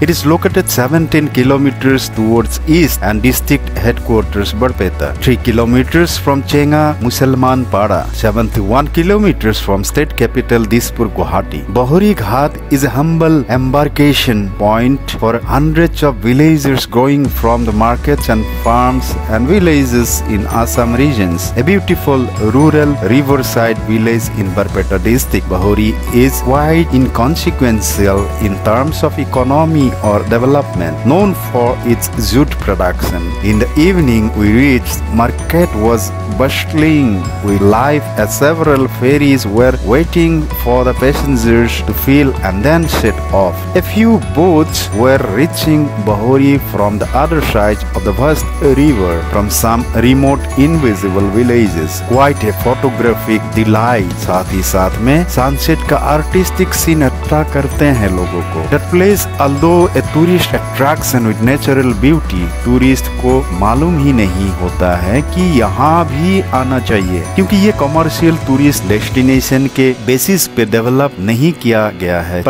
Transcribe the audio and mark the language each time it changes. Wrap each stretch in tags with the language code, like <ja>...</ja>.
<en>It is located 17 kilometres towards east and district headquarters Barpeta, 3 kilometres from Chenga Musalman Para, 71 kilometres from state capital Dispur Guwahati. Bahori Ghat is a humble embarkation point for hundreds of villagers going from the markets and farms and villages in Assam regions. A beautiful rural riverside village in Barpeta district, Bahori is quite inconsequential in terms of economy or development, known for its jute production. In the evening we reached, market was bustling with life as several ferries were waiting for the passengers to fill and then set off. A few boats were reaching Bahori from the other side of the vast river from some remote invisible village. Quite a photographic delight.</en> <hi>साथ ही साथ में sunset का artistic scene अट्रा करते हैं लोगों को।</hi> <en>the place although a tourist attraction with natural beauty,</en> <hi>tourist को मालूम ही नहीं होता है कि यहाँ भी आना चाहिए, क्योंकि ये कमर्शियल टूरिस्ट डेस्टिनेशन के बेसिस पे डेवलप नहीं किया गया है।</hi>